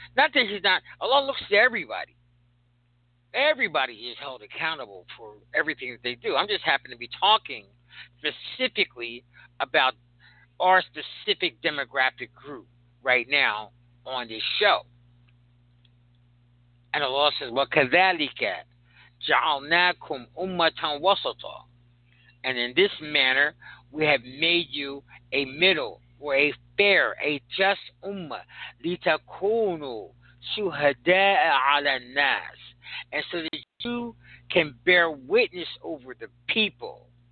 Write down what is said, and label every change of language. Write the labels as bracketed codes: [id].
[en] Not that he's not, Allah looks to everybody. Everybody is held accountable for everything that they do. I'm just happen to be talking specifically about our specific demographic group right now on this show. And Allah says, [ar] وَكَذَلِكَ جَعَلْنَاكُمْ أُمَّةً وَسَطًا. [en] And in this manner, we have made you a middle, or a fair, a just ummah, [ar] لِتَكُونُوا شُهَدَاءَ عَلَى النَّاسِ. [en] And so that you can bear witness over the people.